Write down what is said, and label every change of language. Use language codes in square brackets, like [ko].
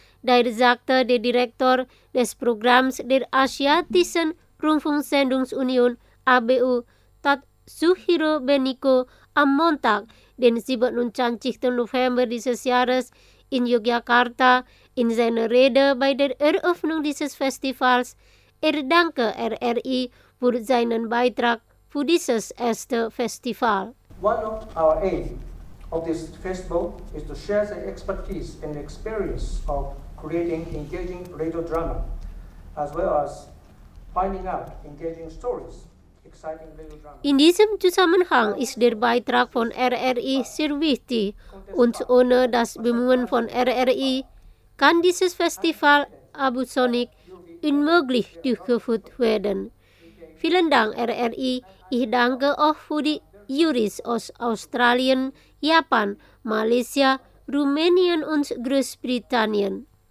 [de] Daher sagte der Direktor des Programms der Asiatischen Rundfunksendungsunion ABU, Tatsuhiro Beniko, am Montag, den 27. November dieses Jahres in Yogyakarta, in seiner Rede bei der Eröffnung dieses Festivals. Er danke RRI für seinen Beitrag für dieses erste Festival. [en] One of our aims of this festival is to share the expertise and experience of creating engaging radio drama, as well as finding out engaging stories. [de] In diesem Zusammenhang ist der Beitrag von RRI sehr wichtig und ohne das Bemühen von RRI kann dieses Festival Abu Sonic unmöglich durchgeführt werden. Vielen Dank, RRI. Ich danke auch für die Juris aus Australien, Japan, Malaysia, Rumänien und Großbritannien.